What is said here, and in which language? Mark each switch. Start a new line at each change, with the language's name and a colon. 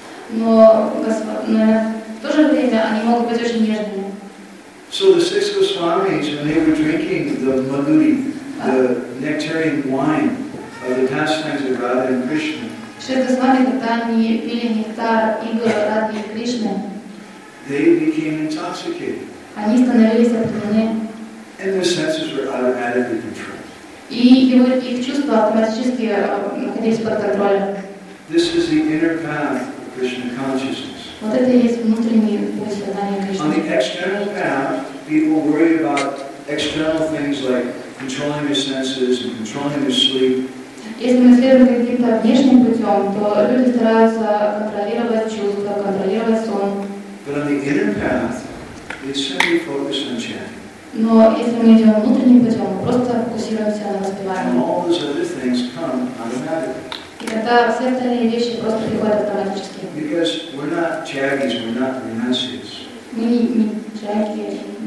Russian: Но в то же время они могут быть очень нежными.
English: So the six Goswamis, when they were drinking the maduri, the nectarian wine of the pastimes of Radha and Krishna.
Russian: Шесть Госвами, когда они пили нектар игр Радхи и Кришны.
English: They became intoxicated.
Russian: Они становились опьянены.
English: And their senses were automatically controlled.
Russian: И его их чувства автоматически находились под контролем.
English: This is the inner path of Krishna consciousness.
Russian: Вот это и есть внутренний путь сознания Кришны.
English: On the external path, people worry about external things like controlling their senses and controlling their sleep.
Russian: Если мы следуем каким-то внешним путем, то люди стараются контролировать чувства, контролировать сон.
English: But on the inner path, they simply focus on chanting.
Russian: Но если мы идем внутренним путем, мы просто фокусируемся на воспевании.
English: And all those other things come automatically.
Russian: И тогда все остальные вещи просто приходят автоматически.
English: Because we're not jaggies, we're not renunciates.
Russian: Мы не джаги.